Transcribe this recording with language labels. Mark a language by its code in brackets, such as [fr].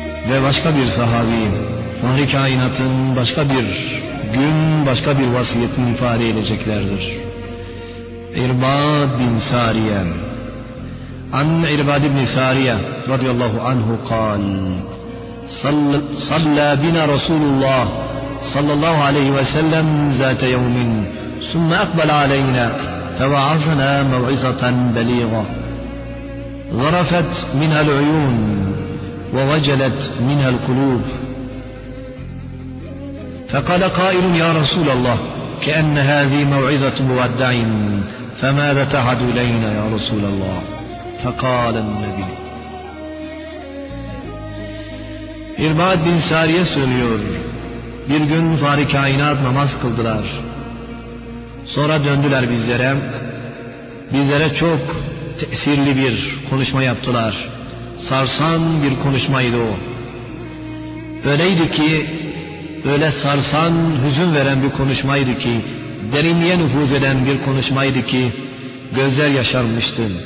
[tr] Ve başka bir sahabi, Fahri Kainat'ın başka bir gün başka bir vasiyetini ifade edeceklerdir. İrbad bin Sariyem. [ar] عن عرباد بن سارية رضي الله عنه قال صلى بنا رسول الله صلى الله عليه وسلم ذات يوم ثم أقبل علينا فوعظنا موعظة بليغة غرفت منها العيون ووجلت منها القلوب. فقال قائل يا رسول الله كأن هذه موعظة مودع فماذا تعد إلينا يا رسول الله؟ فقال النبي [tr] İrbad bin Sariye söylüyor. Bir gün Fâri Kainat namaz kıldılar. Sonra döndüler bizlere. Bizlere çok tesirli bir konuşma yaptılar. Sarsan bir konuşmaydı o. Öyleydi ki, öyle sarsan, hüzün veren bir konuşmaydı ki, derinliğe nüfuz eden bir konuşmaydı ki, gözler yaşarmıştı.